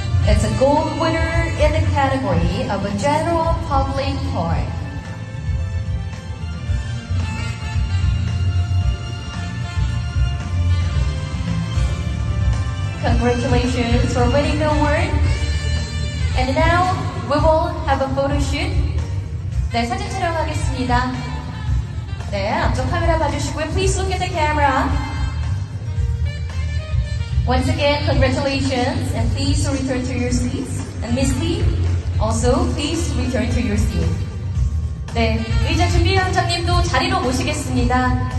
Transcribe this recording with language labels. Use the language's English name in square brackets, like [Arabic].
[English] It's a gold winner in the category of a general public toy. Congratulations for winning the award. And now we will have a photo shoot. [Korean] 네, 사진 촬영하겠습니다. 네, 앞쪽 카메라 봐주시고요. [English] Please look at the camera. Once again, congratulations. And please return to your seats. And Miss Lee, also please return to your seat. [Korean] 네, 의자 준비위원장님도 자리로 모시겠습니다.